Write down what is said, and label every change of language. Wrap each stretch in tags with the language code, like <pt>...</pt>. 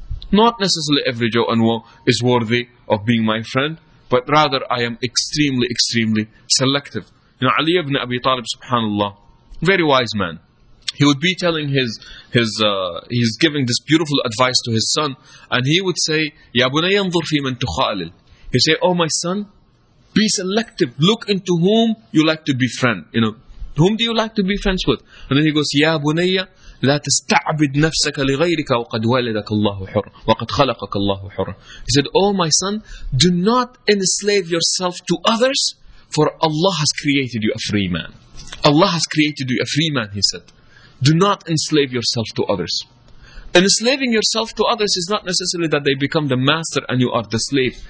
<en>Not necessarily every Joe and Mo is worthy of being my friend, but rather I am extremely, extremely selective. You know, Ali ibn Abi Talib, subhanAllah, very wise man. He would be telling he's giving this beautiful advice to his son.</en> <ar>And he would say, يَا بُنَيَا انظُرْ فِي مَنْ تُخَالِلْ.</ar> <en>He say, oh my son, be selective. Look into whom you like to be friend. You know, whom do you like to be friends with?</en> <ar>And then he goes, يَا بُنَيَا لَا تَسْتَعْبِدْ نَفْسَكَ لِغَيْرِكَ وَقَدْ وَلِدَكَ اللَّهُ حُرًا وَقَدْ خَلَقَكَ اللَّهُ حُرًا.</ar> <en>He said, oh my son, do not enslave yourself to others. For Allah has created you a free man. Allah has created you a free man, he said. Do not enslave yourself to others. Enslaving yourself to others is not necessarily that they become the master and you are the slave.</en>